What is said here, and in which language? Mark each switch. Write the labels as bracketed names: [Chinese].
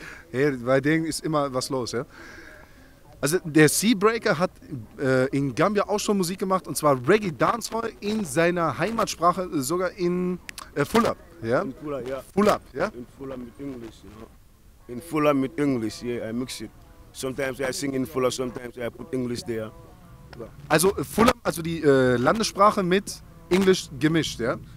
[German] Hey, bei denen ist immer was los, ja. Also der Seabreaker hat in Gambia auch schon Musik gemacht, und zwar Reggae Dancehall in seiner Heimatsprache, sogar in Fula. Ja? In Fula, ja. Fula, ja? In Fula mit Englisch, ja. In Fula mit Englisch, [English] yeah, I mix it. Sometimes I sing in Fula, sometimes I put English there. [German] Also Fula, also die Landessprache mit Englisch gemischt, ja?